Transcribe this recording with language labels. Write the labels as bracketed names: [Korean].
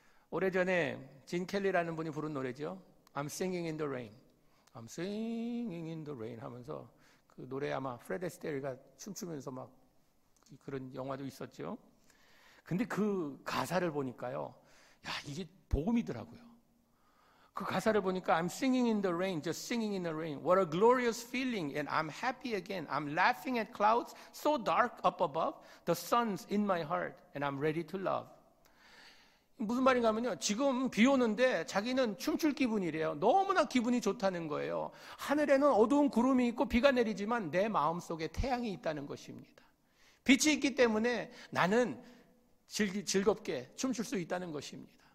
[Korean] 오래전에 진 켈리라는 분이 부른 노래죠. [English] I'm singing in the rain. I'm singing in the rain [Korean] 하면서 그 노래 아마 프레드 스테리가 춤추면서 막 그런 영화도 있었죠. 근데 그 가사를 보니까요, 야, 이게 복음이더라고요. 그 가사를 보니까 [English] I'm singing in the rain, just singing in the rain. What a glorious feeling, and I'm happy again. I'm laughing at clouds so dark up above. The sun's in my heart, and I'm ready to love. [Korean] 무슨 말인가 하면요, 지금 비 오는데 자기는 춤출 기분이래요. 너무나 기분이 좋다는 거예요. 하늘에는 어두운 구름이 있고 비가 내리지만 내 마음 속에 태양이 있다는 것입니다. 빛이 있기 때문에 나는 즐겁게 춤출 수 있다는 것입니다.